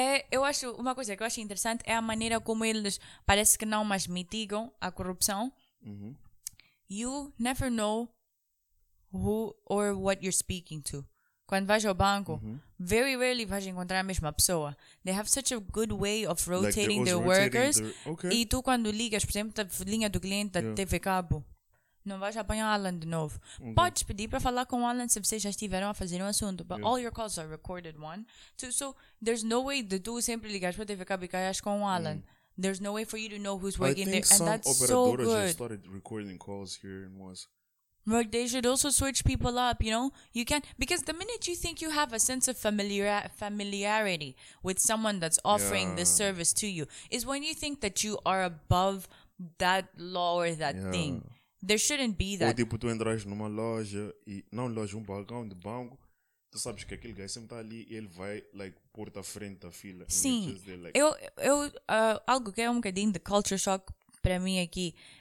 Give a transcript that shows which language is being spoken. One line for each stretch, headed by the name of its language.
Portuguese: Eu acho uma coisa que eu acho interessante é a maneira como eles parece que não mais mitigam a corrupção.
English: You never know who or what you're speaking to.
Portuguese: Quando vais ao banco,
English: very rarely
Portuguese: vais encontrar a mesma pessoa.
English: They have such a good way of rotating their workers. Okay.
Portuguese: E tu quando ligas, por exemplo, da linha do cliente da TV Cabo, não vais apanhar Alan de novo.
English: Okay.
Portuguese: Podes pedir para falar com Alan se vocês já estiveram a fazer assunto.
English: But all your calls are recorded, one. So there's no way that
Portuguese: tu sempre ligares para TV Cabo e caias com Alan.
English: There's no way for you to know who's working there. And that's so good. Just started recording calls here and was. But they should also switch people up, you know? You can't. Because the minute you think you have a sense of familiarity with someone that's offering this service to you, is when you think that you are above that law or that thing. There shouldn't be that.
Portuguese: Ou tipo, tu entras numa loja, e não loja, um balcão de banco, tu sabes que aquele gajo sempre está ali e ele vai, like, porta à frente da fila.
English: Sim. There, like.
Portuguese: Algo que é um bocadinho de
English: culture shock
Portuguese: para mim aqui.